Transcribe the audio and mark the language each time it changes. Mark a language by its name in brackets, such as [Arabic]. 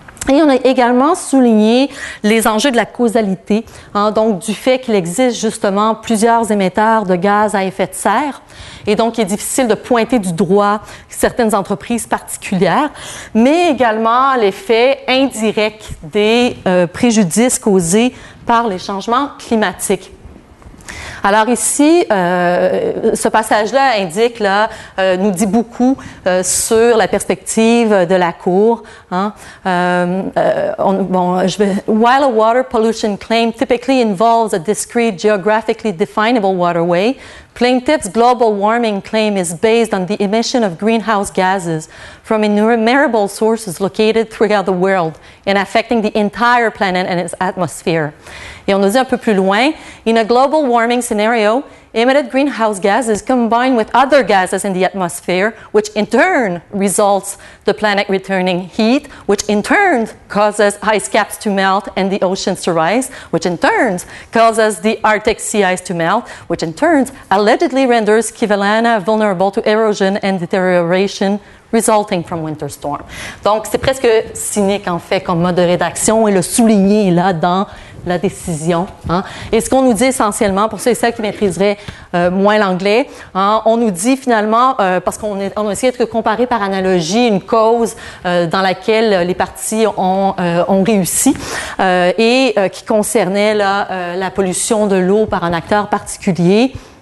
[French] Et on a également souligné les enjeux de la causalité, hein, donc du fait qu'il existe justement plusieurs émetteurs de gaz à effet de serre, et donc il est difficile de pointer du droit certaines entreprises particulières, mais également l'effet indirect des préjudices causés par les changements climatiques. Alors ici, ce passage-là indique, là, nous dit beaucoup sur la perspective de la Cour. Hein. [English] While a water pollution claim typically involves a discrete geographically definable waterway, plaintiff's global warming claim is based on the emission of greenhouse gases from innumerable sources located throughout the world and affecting the entire planet and its atmosphere. [French] Et on nous dit un peu plus loin, [English] in a global warming scenario, emitted greenhouse gases combined with other gases in the atmosphere, which in turn results the planet returning heat, which in turn causes ice caps to melt and the oceans to rise, which in turn causes the Arctic sea ice to melt, which in turn allegedly renders Kivalana vulnerable to erosion and deterioration resulting from winter storm. [French] Donc, c'est presque cynique, en fait, comme mode de rédaction, et le souligner là dans la décision. Hein. Et ce qu'on nous dit essentiellement, pour ceux et celles qui maîtriseraient moins l'anglais, hein, on nous dit finalement, parce qu'on a essayé de comparer par analogie une cause dans laquelle les parties ont réussi et qui concernait là, la pollution de l'eau par un acteur particulier.